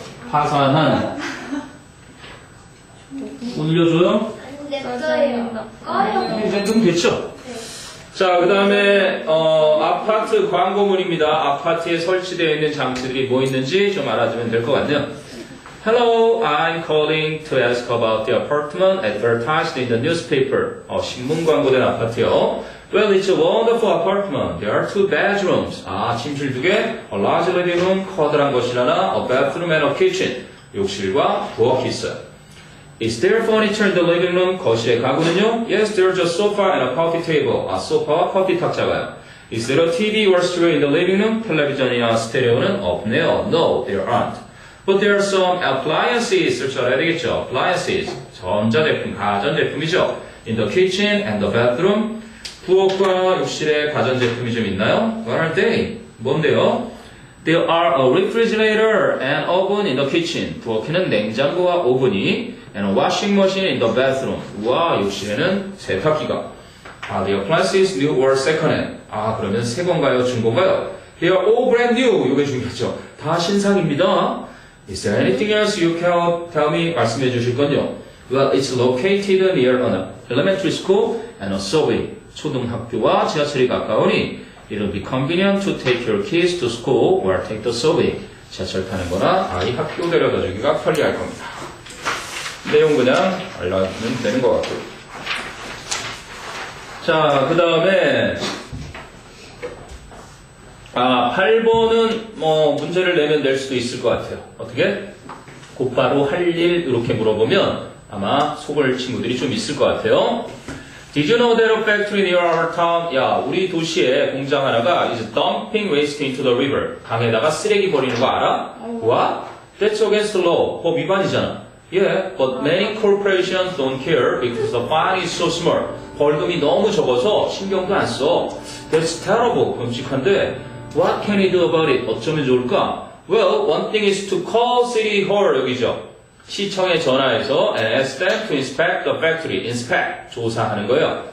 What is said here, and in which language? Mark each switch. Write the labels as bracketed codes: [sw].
[ko] 파산한 올려줘요? 냅둬요. 꺼요. 냅둬면 됐죠? 자, 그 다음에 아파트 광고문입니다. 아파트에 설치되어 있는 장치들이 뭐 있는지 좀 알아두면 될 것 같네요. [en] Hello, I'm calling to ask about the apartment advertised in the newspaper. [ko] 신문 광고된 아파트요. [en] Well, it's a wonderful apartment. There are two bedrooms. [ko] 아, 침실 두 개. [en] A large living room, [ko] 커다란 거실 하나. [en] A bathroom and a kitchen. [ko] 욕실과 부엌이 있어요. [en] Is there furniture in the living room? [ko] 거실의 가구는요? [en] Yes, there's a sofa and a coffee table. [ko] 아, 소파와 커피 탁자가요. [en] Is there a TV or stereo in the living room? [ko] 텔레비전이나 스테레오는 없네요. [en] No, there aren't. But there are some appliances. [ko] 그렇죠, 알아야 되겠죠? [en] Appliances. [ko] 전자제품, 가전제품이죠. [en] In the kitchen and the bathroom. [ko] 부엌과 욕실에 가전제품이 좀 있나요? [en] What are they? [ko] 뭔데요? [en] There are a refrigerator and oven in the kitchen. [ko] 부엌에는 냉장고와 오븐이. [en] And a washing machine in the bathroom. [ko] 와, 욕실에는 세탁기가. [en] Are the appliances new or second hand? [ko] 아, 그러면 새 건가요? 중고인가요? [en] They are all brand new. [ko] 요게 중요하죠. 다 신상입니다. [en] Is there anything else you can tell me? [ko] 말씀해 주실 건요. [en] Well, it's located near an elementary school and a subway. [ko] 초등학교와 지하철이 가까우니, [en] it'll be convenient to take your kids to school or take the subway. [ko] 지하철 타는 거나 아이 학교 데려다 주기가 편리할 겁니다. 내용 그냥 알려주면 되는 것 같고요. 자, 그 다음에 아, 8번은 뭐 문제를 내면 낼 수도 있을 것 같아요. 어떻게? 곧바로 할 일 이렇게 물어보면 아마 속을 친구들이 좀 있을 것 같아요. [en] Did you know that a factory near our town? [ko] 야, 우리 도시에 공장 하나가 [en] is dumping waste into the river. [ko] 강에다가 쓰레기 버리는 거 알아? [en] What? That's against the law. [ko] 법 위반이잖아. [en] Yeah, but many corporations don't care because the fine is so small. [ko] 벌금이 너무 적어서 신경도 안 써. [en] That's terrible. [ko] 끔찍한데. [en] What can we do about it? [ko] 어쩌면 좋을까? [en] Well, one thing is to call City Hall. [ko] 여기죠. 시청에 전화해서 [en] and ask them to inspect the factory. Inspect. [ko] 조사하는 거예요.